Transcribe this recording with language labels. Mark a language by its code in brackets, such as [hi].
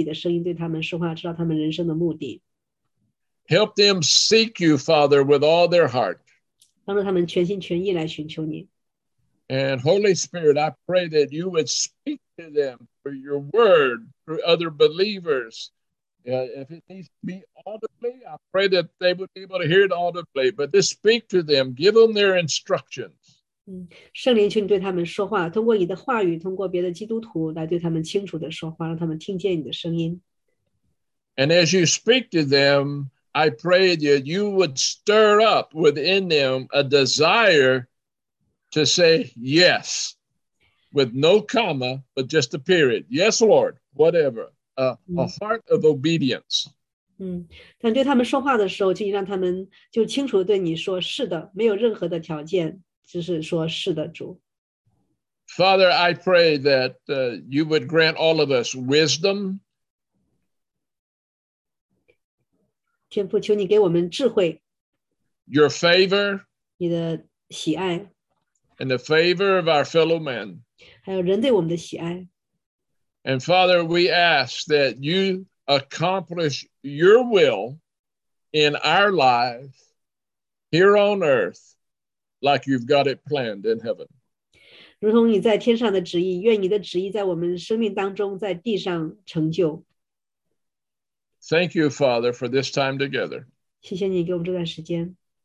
[zh] 求你对他们说话，用个清晰无比的声音对他们说话，知道他们人生的目的。 [en] Help them seek you, Father, with all their heart. [zh] 帮助他们全心全意来寻求你。 [en] And Holy Spirit, I pray that you would speak to them through your word, through other believers. If it needs to be audibly, I pray that they would be able to hear it audibly. But just speak to them, give them their instructions. [zh] 圣灵，求你对他们说话，通过你的话语，通过别的基督徒来对他们清楚的说话，让他们听见你的声音。 [en] And as you speak to them, I pray that you would stir up within them a desire to say yes, with no comma, but just a period. Yes, Lord, whatever. A heart of obedience. [zh] 但对他们说话的时候，就让他们就清楚地对你说：“是的，没有任何的条件。” 就是说是的主。 [en] Father, I pray that you would grant all of us wisdom. [zh] 天父，求你给我们智慧。 [en] Your favor. [zh] 你的喜爱。 [en] And the favor of our fellow men. [zh] 还有人对我们的喜爱。 [en] And Father, we ask that you accomplish your will in our lives here on earth, like you've got it planned in heaven. [zh] 如同你在天上的旨意，愿你的旨意在我们生命当中，在地上成就。 [en] Thank you, Father, for this time together. [zh] 谢谢你给我们这段时间。